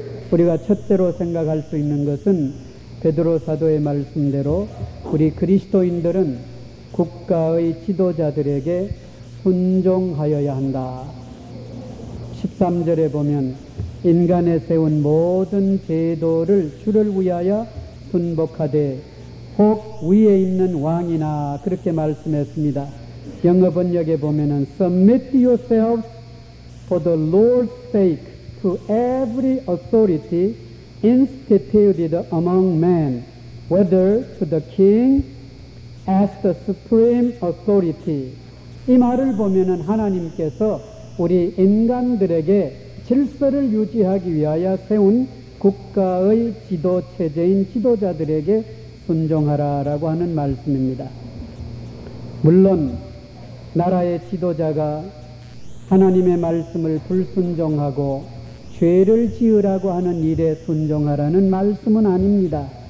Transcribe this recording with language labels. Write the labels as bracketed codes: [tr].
[ko] 우리가 첫째로 생각할 수 있는 것은 베드로 사도의 말씀대로 우리 그리스도인들은 국가의 지도자들에게 순종하여야 한다. 13절에 보면 인간에 세운 모든 제도를 주를 위하여 순복하되 혹 위에 있는 왕이나, 그렇게 말씀했습니다. 영어 번역에 보면은 [en] Submit yourselves for the Lord's sake to every authority instituted among men, whether to the king as the supreme authority. [ko] 이 말을 보면은 하나님께서 우리 인간들에게 질서를 유지하기 위하여 세운 국가의 지도체제인 지도자들에게 순종하라라고 하는 말씀입니다. 물론 나라의 지도자가 하나님의 말씀을 불순종하고 죄를 지으라고 하는 일에 순종하라는 말씀은 아닙니다.